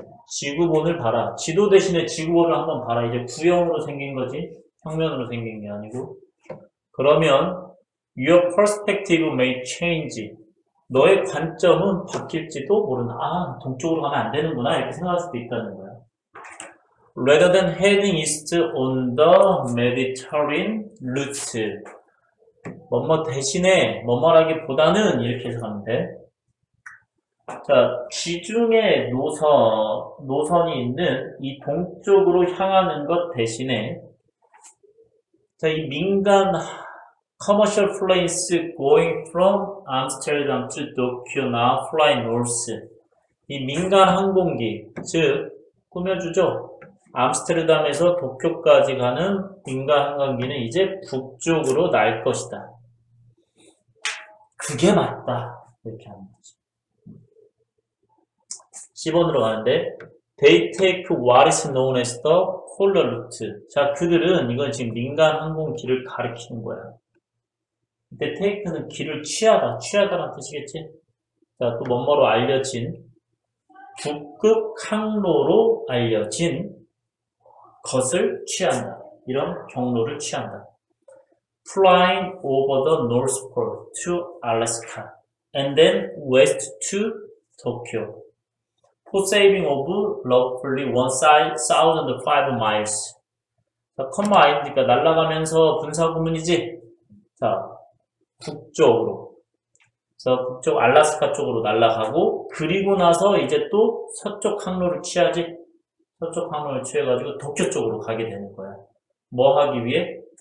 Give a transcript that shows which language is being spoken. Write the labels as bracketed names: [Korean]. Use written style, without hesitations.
[Korean] 지구본을 봐라. 지도 대신에 지구본을 한번 봐라. 이제 구형으로 생긴 거지 평면으로 생긴 게 아니고. 그러면 [English] your perspective may change. [Korean] 너의 관점은 바뀔지도 모른다. 아, 동쪽으로 가면 안 되는구나 이렇게 생각할 수도 있다는 거야. [English] Rather than heading east on the Mediterranean route. [Korean] 뭐뭐 대신에 뭐뭐라기보다는 이렇게 해석하면 돼. 자, 지중해 노선이 있는 이 동쪽으로 향하는 것 대신에 자, 이 민간 [English] commercial planes going from Amsterdam to Tokyo now fly north. [Korean] 이 민간 항공기, 즉 꾸며주죠. 암스테르담에서 도쿄까지 가는 민간 항공기는 이제 북쪽으로 날 것이다. 그게 맞다. 이렇게 하는 거지. 10번으로 가는데 [English] They take what is known as the polar route. [Korean] 자, 그들은 이건 지금 민간 항공기를 가리키는 거야. 근데 take는 길을 취하다, 취하다란 뜻이겠지? 자, 또 뭐뭐로 알려진 북극 항로로 알려진 것을 취한다. 이런 경로를 취한다. [English] Flying over the North Pole to Alaska and then west to Tokyo for saving of roughly 1,005 miles. [Korean] 자, 컴마 아닙니까? 날아가면서 분사 구문이지? 자, 북쪽으로. 자, 북쪽 알래스카 쪽으로 날아가고 그리고 나서 이제 또 서쪽 항로를 취하지. 서쪽 항로를 취해가지고 도쿄 쪽으로 가게 되는 거야. 뭐 하기 위해?